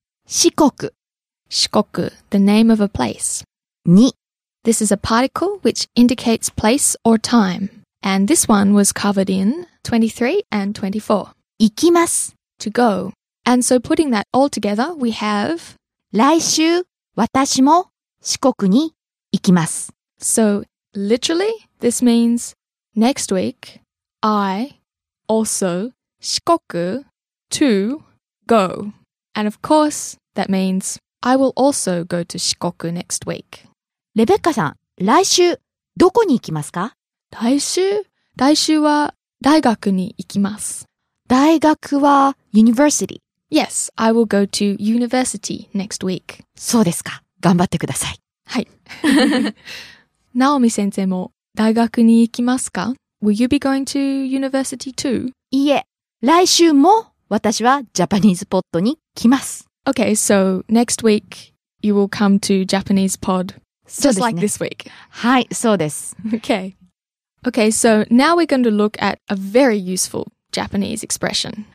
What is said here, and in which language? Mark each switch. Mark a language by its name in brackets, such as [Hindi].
[Japanese] 四国 [English] 四国 the name of a place. [Japanese] に [English] This is a particle which indicates place or time. And this one was covered in 23 and 24. [Japanese] 行きます [English] To go. And so putting that all together, we have [Japanese] 来週私も四国に行きます [English] So literally, this means next week, I also 四国 to go. And of course, that means I will also go to 四国 next week. [Japanese] レベッカさん、来週、どこに行きますか？来週は、大学に行きます。大学は、university。 [English] Yes, I will go to university next week. [Japanese] そうですか。頑張ってください。はい。ナオミ先生も、大学に行きますか？ [English] Will you be going to university too? [Japanese] いいえ。来週も、私は、ジャパニーズポッドに来ます。 [English] Okay, so, next week, you will come to Japanese pod. Just like this week. [Japanese] はい、そうです。 [English] Okay. Okay, so now we're going to look at a very useful Japanese expression.